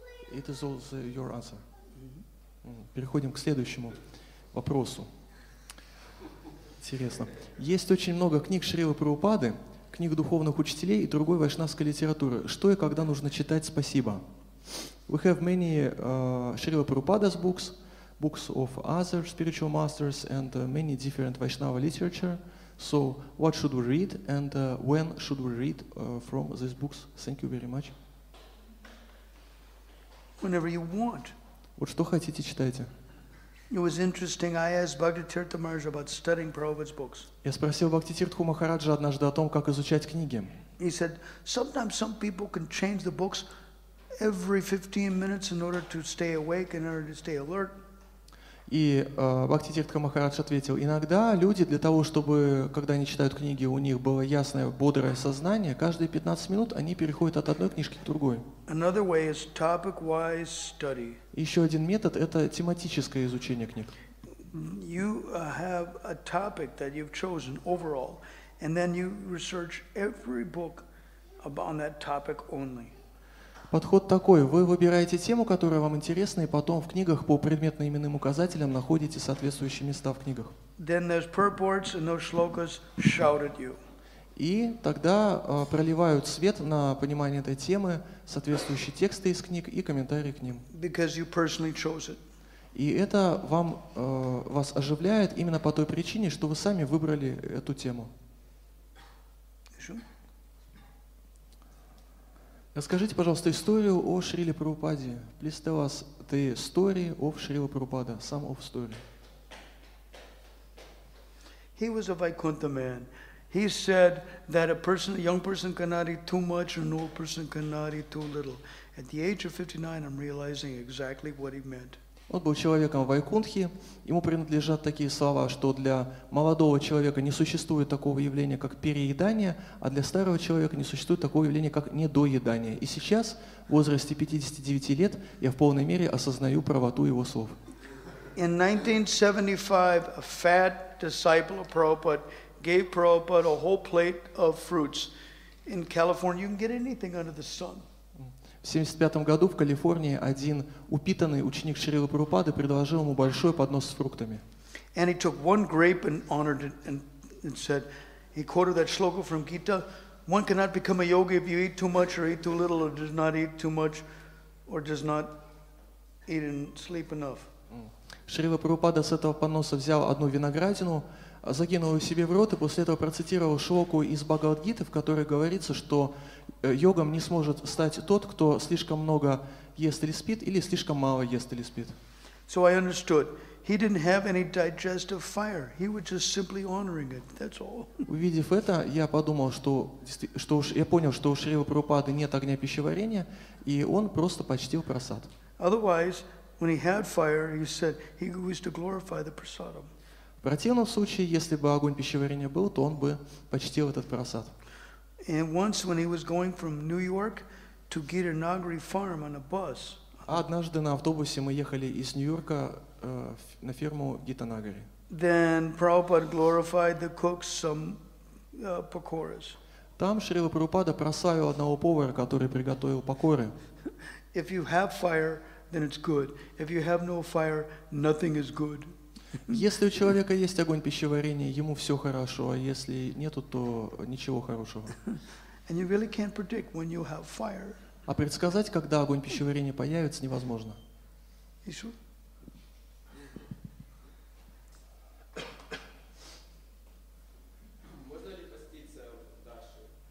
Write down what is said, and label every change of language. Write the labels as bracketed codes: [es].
[en] It is all your answer. [ru] Переходим к следующему вопросу. Интересно. Есть очень много книг Шрилы Прабхупады, книг духовных учителей и другой вайшнавской литературы. Что и когда нужно читать? Спасибо. [en] We have many Шрилы Прабхупада's books. Books of other spiritual masters and many different Vaishnava literature. So, what should we read and when should we read from these books? Thank you very much. Whenever you want. [ru] Вот что хотите, читайте. [en] It was interesting. I asked Bhaktitirtha Maharaj about studying Prabhupada's books. [ru] Я спросил Бхактитирту Махараджа однажды о том, как изучать книги. [en] He said, sometimes some people can change the books every 15 minutes in order to stay awake, in order to stay alert. [ru] И Бхактитирта Махарадж ответил, иногда люди для того, чтобы, когда они читают книги, у них было ясное, бодрое сознание, каждые 15 минут они переходят от одной книжки к другой. [en] Another way is topic-wise study. [ru] Еще один метод – это тематическое изучение книг. [en] You have a topic that you've chosen overall, and then you research every book on that topic only. [ru] Подход такой. Вы выбираете тему, которая вам интересна, и потом в книгах по предметно-именным указателям находите соответствующие места в книгах. [en] Then there's purports and those shlokas shout at you. [ru] И тогда проливают свет на понимание этой темы соответствующие тексты из книг и комментарии к ним. [en] Because you personally chose it. [ru] И это вам, вас оживляет именно по той причине, что вы сами выбрали эту тему. Еще? Расскажите, пожалуйста, историю о Шриле Прабхупаде. [en] Please tell us the story of Шрила Прабхупада, some of story. He was a Vaikuntha man. He said that a person, a young person cannot eat too much and an old person cannot eat too little. At the age of 59, I'm realizing exactly what he meant. [ru] Он был человеком Вайкунтхи. Ему принадлежат такие слова, что для молодого человека не существует такого явления, как переедание, а для старого человека не существует такого явления, как недоедание. И сейчас, в возрасте 59 лет, я в полной мере осознаю правоту его слов. [en] In 1975, a fat disciple of Prabhupada gave Prabhupada a whole plate of fruits. In California, you can get anything under the sun. [ru] В 1975 году в Калифорнии один упитанный ученик Шрилы Прабхупады предложил ему большой поднос с фруктами. [en] And he took one grape and honored it and said, he quoted that shloka from Gita, one cannot become a yogi if you eat too much or eat too little or does not eat too much or does not eat and sleep enough. [ru] Шрила Прабхупада с этого подноса взял одну виноградину, закинул ее себе в рот и после этого процитировал шлоку из Бхагавад-гиты, в которой говорится, что йогом не сможет стать тот, кто слишком много ест или спит, или слишком мало ест или спит. [en] So I understood. He didn't have any digestive fire. He was just simply honoring it. That's all. [ru] Увидев это, я подумал, что уж я понял, что у Шрилы Прабхупады нет огня пищеварения, и он просто почтил прасад. [en] Otherwise, when he had fire, he said he was to glorify the prasadam. [ru] В противном случае, если бы огонь пищеварения был, то он бы почтил этот прасад. [en] And once when he was going from New York to Giranagari farm on a bus. [ru] Однажды на автобусе мы ехали из Нью-Йорка на ферму Гитанагари. [en] Then Prabhupada glorified the cook some pakoras. Там Шрила Прабхупада прославил одного повара, который приготовил пакоры. If you have fire, then it's good. If you have no fire, nothing is good. [ru] Если у человека есть огонь пищеварения, ему все хорошо, а если нету, то ничего хорошего. [en] And you really can't predict when you have fire. [ru] А предсказать, когда огонь пищеварения появится, невозможно. Еще? Можно ли поститься в Даши?